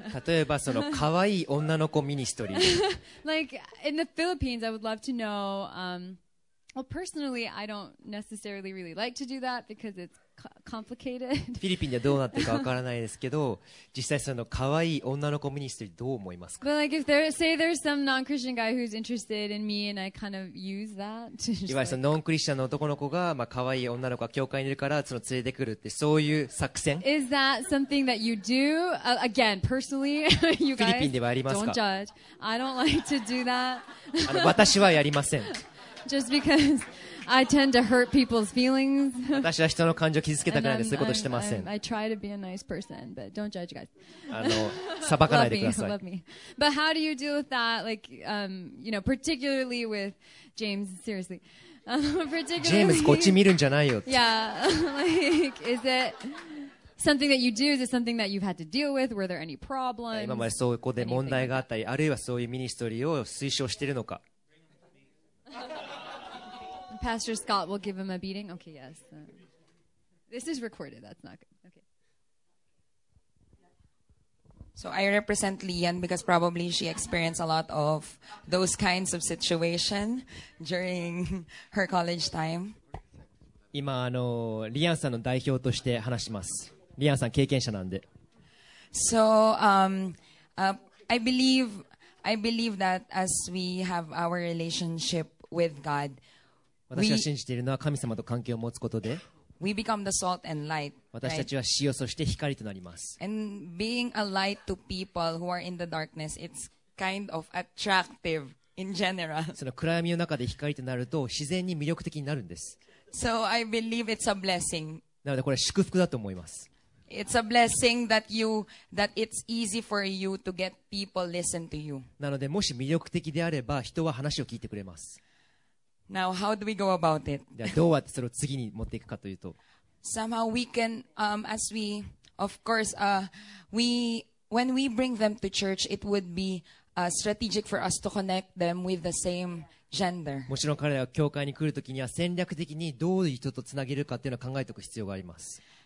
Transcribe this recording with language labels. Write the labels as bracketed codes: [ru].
[ja] 例えばその可愛い女の子ミニストリー。 [en] Like in the Philippines, I would love to know. Well, personally, I don't necessarily really like to do that because it's complicated. [ja] フィリピンではどうなってるかわからないですけど、実際その可愛い女の子ミニストリーどう思いますか? [en] But like, if there, say there's some non-Christian guy who's interested in me and I kind of use that. [ja] いわゆるそのノンクリスチャンの男の子が、まあ可愛い女の子が教会にいるからその連れてくるって、そういう作戦? [en] Is that something that you do? Again, personally, you guys, don't judge. I don't like to do that. [ja] 私はやりません。 [en] Just because I tend to hurt people's feelings. [ja] 私は人の感情を傷つけたくないので、そういうことしてません。 [en] I try to be a nice person, but don't judge, guys. [ja] 裁かないでください。 [en] Love me, love me. But how do you deal with that? Like, you know, particularly with James, seriously. particularly. [ja] James, こっち見るんじゃないよ。 [en] Yeah. Like, is it something that you do? Is it something that you've had to deal with? Were there any problems? [ja] 今までそういうことで問題があったり、あるいはそういうミニストリーを推奨しているのか。 [en] Pastor Scott will give him a beating. Okay, yes. This is recorded. That's not good. Okay. So I represent Lian because probably she experienced a lot of those kinds of situation during her college time. [ja] 今リアンさんの代表として話します。リアンさん経験者なんで。 [en] So I believe that as we have our relationship with God. [ja] 私が信じているのは神様と関係を持つことで [en] We become the salt and light, [ja] 私たちは塩そして光となります [en] And being a light to people who are in the darkness, it's kind of attractive in general. [ja] その暗闇の中で光となると自然に魅力的になるんです [en] So I believe it's a blessing. [ja] なのでこれは祝福だと思います [en] It's a blessing that it's easy for you to get people listen to you. [ja] なのでもし魅力的であれば人は話を聞いてくれます [en] Now, how do we go about it? [ja] どうやってそれを次に持っていくかというと、 [en] somehow we can, as we, of course, we, when we bring them to church, it would be strategic for us to connect them with the same gender. [ja] もちろん彼らが教会に来るときには戦略的にどういう人とつなげるかっていうのを考えておく必要があります。